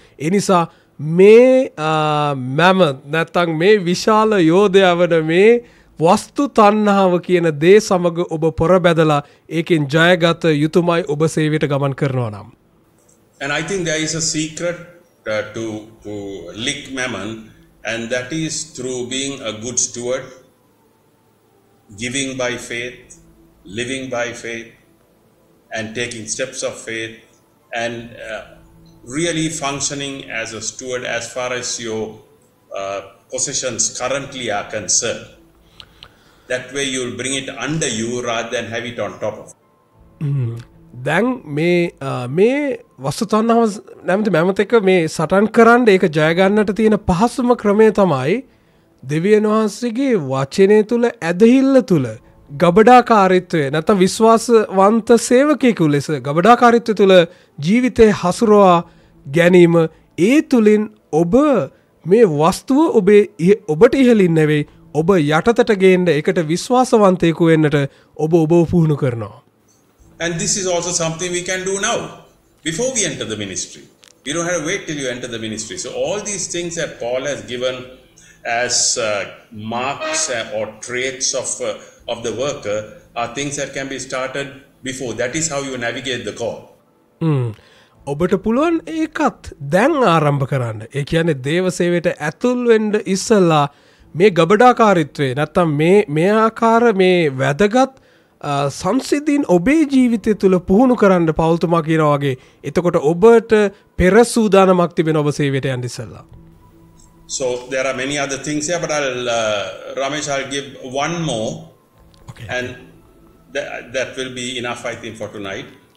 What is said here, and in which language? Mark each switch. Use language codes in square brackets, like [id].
[si] ඒ නිසා මේ මම නැත්නම් මේ විශාල යෝධයා වන මේ වස්තු තණ්හාව කියන දේ සමග ඔබ පොරබැදලා ඒකෙන් ජයගත යුතුයමයි ඔබ සේවයට ගමන් කරනවා නම්. [en] And I think there is a secret to lick mammon, and that is through being a good steward, giving by faith, living by faith, and taking steps of faith, and really functioning as a steward as far as your possessions currently are concerned. That way you will bring it under you rather than have it on top of you. [si] දැන් මේ මේ වස්තුතන්නව නැමැති මැමත එක මේ සටන් කරන්න ඒක ජය ගන්නට තියෙන පහසුම ක්‍රමය තමයි දෙවියන් වහන්සේගේ වචනය තුල ඇදහිල්ල තුල ගබඩාකාරීත්වය නැත්නම් විශ්වාසවන්ත සේවකයෙකු ලෙස ගබඩාකාරීත්වය තුල ජීවිතේ හසුරවා ගැනීම ඒ තුලින් ඔබ මේ වස්තුව ඔබේ ඔබට ඉහළින් නැවේ ඔබ යටතට ගේන්න ඒකට විශ්වාසවන්තයෙකු වෙන්නට ඔබ ඔබව පුහුණු කරනවා. [en] And this is also something we can do now, before we enter the ministry. You don't have to wait till you enter the ministry. So all these things that Paul has given as marks or traits of the worker are things that can be started before. That is how you navigate the call. [si] ඔබට පුළුවන් ඒකත් දැන් ආරම්භ කරන්න. ඒ කියන්නේ දේව සේවයට ඇතුල් වෙන්න ඉස්සලා මේ ගබඩාකාරීත්වය නැත්තම් මේ මේ ආකාර මේ වැදගත් සංසිද්ධීන් ඔබේ ජීවිතය තුළ පුහුණු කරන්න පවුල්තුමා කියනවා වගේ එතකොට ඔබට පෙර සූදානමක් තිබෙන ඔබ සේවයට යන්න ඉස්සෙල්ලා. [en] So there are many other things here, but I'll Ramesh, I'll give one more. Okay. And that will be enough, I think, for tonight.